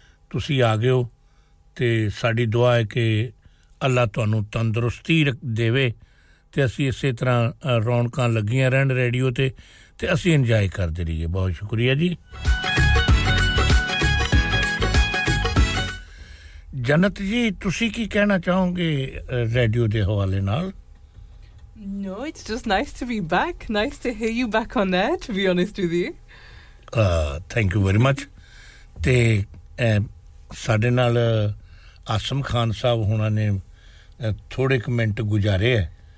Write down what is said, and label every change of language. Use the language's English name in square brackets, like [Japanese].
[Punjabi] ਤੁਸੀਂ ਆ ਗਏ ਹੋ ਅਤੇ ਸਾਡੀ ਦੁਆ ਹੈ ਕਿ ਅੱਲਾ ਤੁਹਾਨੂੰ ਤੰਦਰੁਸਤੀ ਦੇਵੇ ਅਤੇ ਅਸੀਂ ਇਸੇ ਤਰ੍ਹਾਂ ਰੌਣਕਾਂ ਲੱਗੀਆਂ ਰਹਿਣ ਰੇਡੀਓ 'ਤੇ ਅਤੇ ਅਸੀਂ ਇੰਜੋਏ ਕਰਦੇ ਰਹੀਏ ਬਹੁਤ ਸ਼ੁਕਰੀਆ ਜੀ ਜਨਤ ਜੀ ਤੁਸੀਂ ਕੀ ਕਹਿਣਾ ਚਾਹੋਗੇ ਰੇਡੀਓ ਦੇ ਹਵਾਲੇ ਨਾਲ [English] No, it's just nice to be back. Nice to hear you back on there, to be honest with you. Thank you very much. [Punjabi] ਅਤੇ ਸਾਡੇ ਨਾਲ ਆਸਮ ਖਾਨ ਸਾਹਿਬ ਹੁਣਾਂ ਨੇ ਥੋੜ੍ਹੇ ਕੁ ਮਿੰਟ ਗੁਜ਼ਾਰੇ ਹੈ